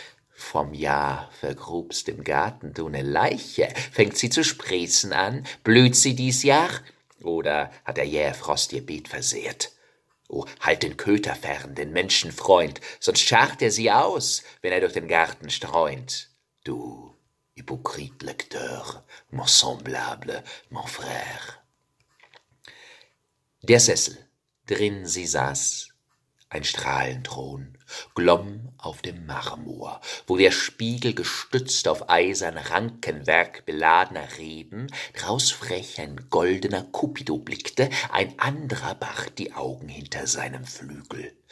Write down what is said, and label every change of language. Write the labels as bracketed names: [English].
[German] Vom Jahr vergrubst im Garten du eine Leiche, fängt sie zu sprießen an, blüht sie dies Jahr, oder hat der jähe Frost ihr Beet versehrt? Oh, halt den Köter fern, den Menschenfreund, sonst scharrt er sie aus, wenn er durch den Garten streunt. Du, [French] hypocrite lecteur, mon semblable, mon frère. [German] Der Sessel, drin sie saß, ein Strahlenthron, glomm auf dem Marmor, wo der Spiegel gestützt auf eisern Rankenwerk beladener Reben, draus frech ein goldener Cupido blickte, ein anderer bach die Augen hinter seinem Flügel.